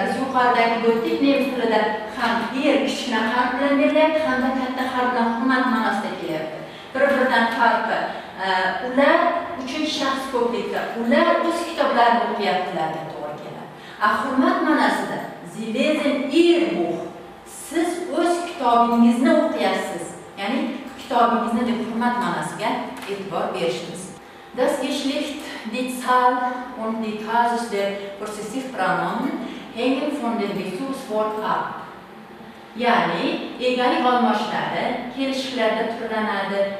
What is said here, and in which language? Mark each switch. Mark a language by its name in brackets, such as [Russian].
[Uzbek] Biz yuqoridagi bo'ldik, nemis tilida ham er kichkina harf bilan berilyapti, ham katta harf bilan hurmat ma'nosida kelyapti. Bir-biridan farqi, ular uchinchi shaxs ko'plikda, ular o'z kitoblarini o'qiyaptilar deb to'g'ri keladi. A hurmat ma'nosida [German] sie lesen ihr Buch. [Uzbek] Siz o'z kitobingizni o'qiyapsiz. Ya'ni kitobingizni deb hurmat ma'nosiga e'tibor berishimiz. [German] Das Geschlecht, die Zahl und die Kasus der Possessivpronomen hängen von dem Bezugswort ab. [Uzbek] Ya'ni, egalik olmoshlari kelishishlarda turlanadi.